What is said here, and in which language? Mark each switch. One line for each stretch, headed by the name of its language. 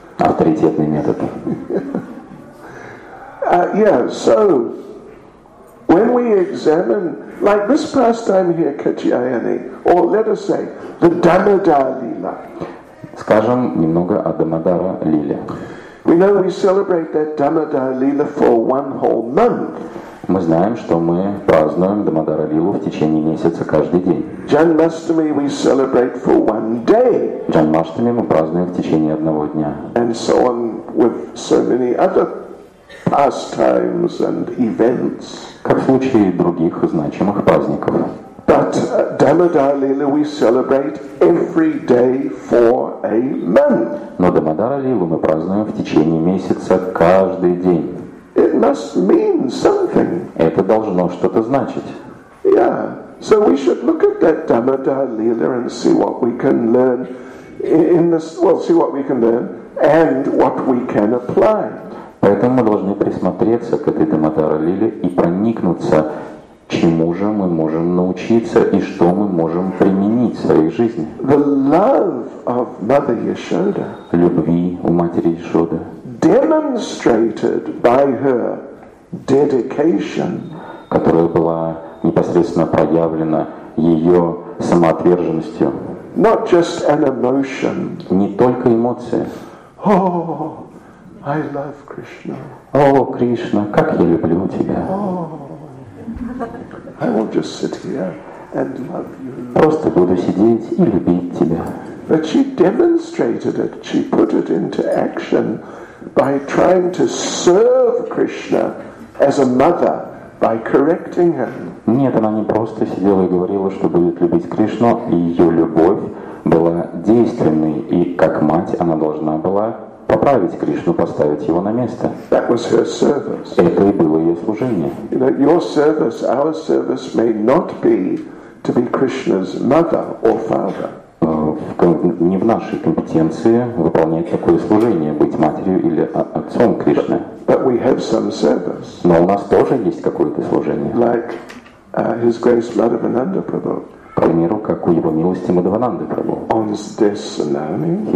Russian: Авторитетный метод.
English: Yeah, so when we examine, like this pastime here, Katyayani, or let us say, the Damodara Lila.
Russian: Скажем немного о Дамодара Лиле.
English: We know we celebrate that Damodara Lila for one whole month.
Russian: Мы знаем, что мы празднуем Дамодара Лилу в течение месяца каждый день.
English: Janmashtami we celebrate for one day.
Russian: Janmashtami мы празднуем в течение одного дня.
English: And so on with so many other pastimes and events.
Russian: Как в случае других значимых праздников.
English: But Damodara Lila we celebrate every day for a month.
Russian: Но Дамодара Лилу мы празднуем в течение месяца каждый день.
English: It must mean something.
Russian: Это должно что-то значить.
English: Yeah. So we should look at that Damodara Lila and see what we can learn and what we can apply.
Russian: Поэтому мы должны присмотреться к этой Дамодара Лиле и проникнуться, чему же мы можем научиться и что мы можем применить в своей жизни.
English: The love of Mother Yashoda,
Russian: любви у матери Яшоды,
English: demonstrated by her dedication,
Russian: которая была непосредственно проявлена ее самоотверженностью,
English: not just an emotion,
Russian: не только эмоции.
English: I love Krishna.
Russian: О, Кришна, как я люблю тебя.
English: Oh, I will just sit here and love you.
Russian: Просто буду сидеть и любить тебя.
English: But she demonstrated it. She put it into action by trying to serve Krishna as a mother by correcting him.
Russian: Нет, она не просто сидела и говорила, что будет любить Кришну, и ее любовь была действенной, и как мать она должна была поправить Кришну, поставить его на место.
English: That was her service.
Russian: Это и было ее служение.
English: You know, your service, our service may not be to be Krishna's mother or father.
Russian: Не в нашей компетенции выполнять такое служение, быть матерью или отцом Кришны.
English: But we have some service.
Russian: Но у нас тоже есть какое-то служение.
English: Like His Grace Madhavananda Prabhu.
Russian: К примеру, как у Его Милости Мадхавананды Прабху.
English: On this tsunami.